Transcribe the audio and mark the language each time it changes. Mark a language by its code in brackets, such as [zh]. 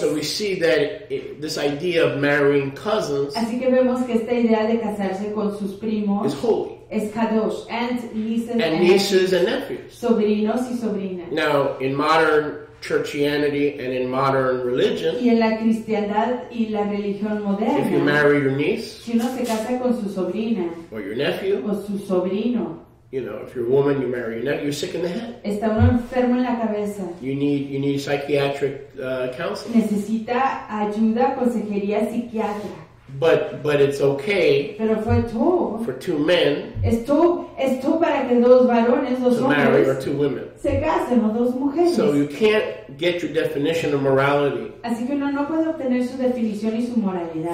[en] So we see that this idea of marrying cousins. [es] Así que vemos que esta idea de casarse con sus primos [en] is holy. [es] Es kadosh. [en] And nieces and nephews. And nephews. [es] Sobrinos y sobrinas. [en] Now, in modern Christianity and in modern religion, [es] y en la cristiandad y la religión moderna, [en] if you marry your niece, [es] si uno se casa con su sobrina, [en] or your nephew, [es] o su sobrino, [en] you know, if you're a woman, you marry your nephew, you're sick in the head. [es] Está uno enfermo en la cabeza. [en] You need psychiatric counseling. [es] Necesita ayuda, consejería psiquiatra. [en] But it's okay. [es] Pero fue todo. [en] For two men. [es] Es todo para que dos varones, dos hombres, [en] marry, or two women. [es] Se casen o dos mujeres. [en] So you can't get your definition of morality. [es] Así que uno no puede obtener su definición y su moralidad.